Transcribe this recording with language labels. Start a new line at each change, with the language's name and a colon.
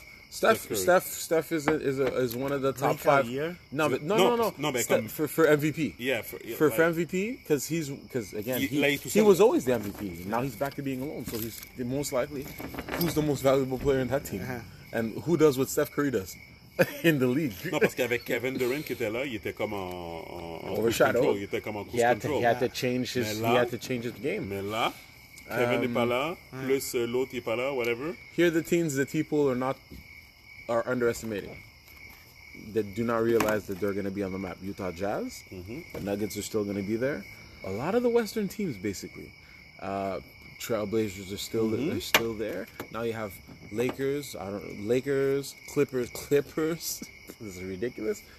English: Steph is one of the top five. Year? For MVP. For MVP, because he was always the MVP. Now he's back to being alone, so he's the most likely. Who's the most valuable player in that team? Uh-huh. And who does what Steph Curry does in the league?
French: Non, parce qu'avec Kevin Durant qui était là, il était comme en
English: overshadow.
French: Control. Il était comme en cruise control.
English: He had to change his game.
French: Mais là, Kevin n'est pas là, plus l'autre n'est pas là, whatever.
English: Here the teams that people are underestimating. They do not realize that they're going to be on the map. Utah Jazz, mm-hmm. The Nuggets are still going to be there. A lot of the Western teams, basically. Trailblazers are still they're still there. Now you have Lakers, Clippers. This is ridiculous.